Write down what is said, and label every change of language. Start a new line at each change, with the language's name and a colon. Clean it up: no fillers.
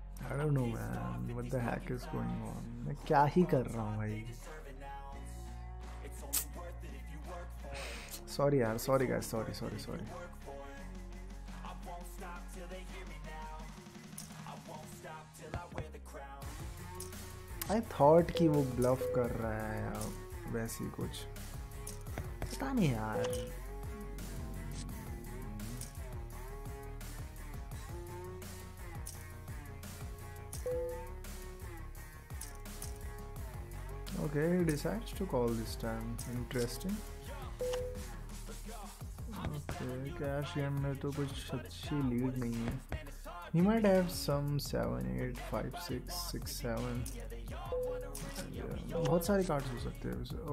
English: I don't know man, what the heck is going on?
Hindi: मैं क्या ही कर रहा हूँ भाई।
English: Sorry यार, sorry guys, sorry, sorry, sorry. I thought
Hindi: कि वो bluff कर रहा है या वैसी कुछ। पता नहीं यार।
English: Okay, he decides to call this time. Interesting.
Hindi: Okay, cash game में तो कुछ अच्छी lead नहीं है.
English: He might have some 7, 8, 5, 6, 6, 7.
Hindi: Yeah, बहुत सारे cards हो सकते हैं उसे.